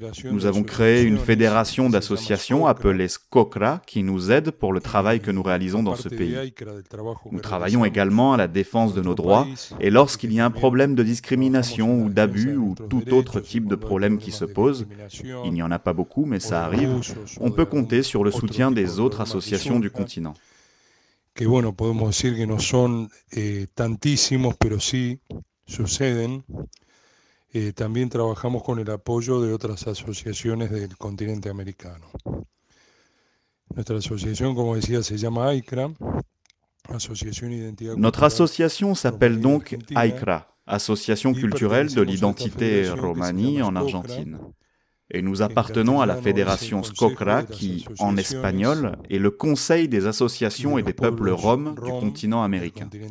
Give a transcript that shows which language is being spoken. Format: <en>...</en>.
<fr>Nous avons créé une fédération d'associations appelée SCOCRA qui nous aide pour le travail que nous réalisons dans ce pays. Nous travaillons également à la défense de nos droits et lorsqu'il y a un problème de discrimination ou d'abus ou tout autre type de problème qui se pose, il n'y en a pas beaucoup mais ça arrive, on peut compter sur le soutien des autres associations du continent.</fr> <es>Que bueno, podemos decir que no son tantísimos, pero sí suceden. También trabajamos con el apoyo de otras asociaciones del continente americano. Nuestra asociación, como decía, se llama AICRA, Asociación Identidad Cultural.</es> <fr>Notre association s'appelle donc AICRA, Association culturelle de l'identité romani en Argentine. Et nous appartenons à la fédération SCOCRA qui, en espagnol, est le Conseil des associations et des peuples roms du continent américain.</fr>